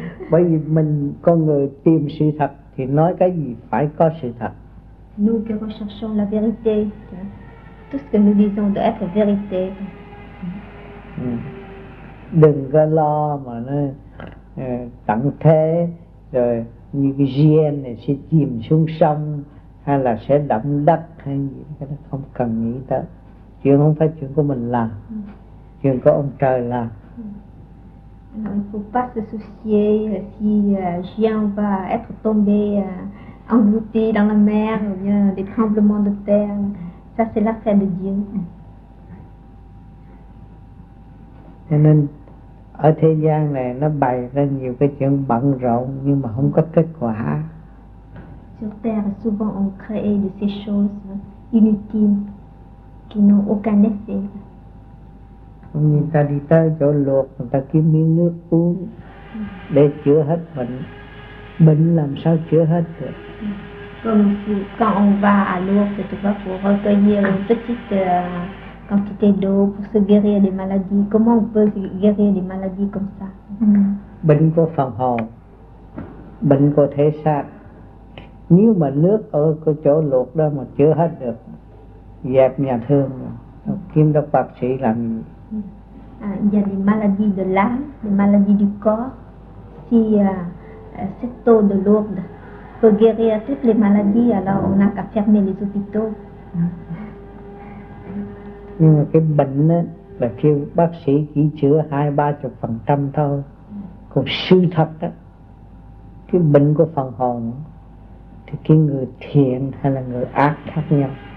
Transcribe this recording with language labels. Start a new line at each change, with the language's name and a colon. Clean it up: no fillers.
Vietnamese: Bởi vì mình con người tìm sự thật thì nói cái gì phải có sự thật.
French: Nous qui recherchons la vérité, tout ce que nous disons doit être vérité.
Vietnamese: Đừng có lo mà nó tận thế rồi như cái gen này sẽ chìm xuống sông hay là sẽ đậm đất hay gì, cái đó không cần nghĩ tới. Chuyện không phải chuyện của mình làm, chuyện của ông trời làm.
French: Il ne faut pas se soucier si Jean va être tombé englouté dans la mer ou bien des tremblements de terre. Ça, c'est l'affaire de Dieu.
Vietnamese: Et nên, ở thế gian này, nó bày ra nhiều cái chuyện bận rộn nhưng mà không có kết quả. Sur terre, souvent, on crée de ces choses inutiles qui n'ont aucun effet. Người ta đi tới chỗ luộc, người ta kiếm miếng nước uống để chữa hết bệnh. Bệnh làm sao chữa hết được?
French: Comme quand on va à l'eau, c'est pas pour recueillir une petite quantité d'eau pour se guérir des maladies. Comment on peut guérir des maladies comme ça?
Vietnamese: Bệnh của phần hồn, bệnh của thể xác. Nếu mà nước ở cái chỗ luộc đó mà chữa hết được, dẹp nhà thương, kiếm đâu bác sĩ làm gì?
French: Il y a des maladies de l'âme, des maladies du corps. Si cette eau de Lourdes peut guérir toutes les maladies, alors on n'a qu'à fermer les hôpitaux.
Vietnamese: Nhưng mà cái bệnh đó, là khi bác sĩ chỉ chữa 20-30% thôi. Còn sự thật đó, cái bệnh của phần hồn thì cái người thiện hay là người ác khác nhau.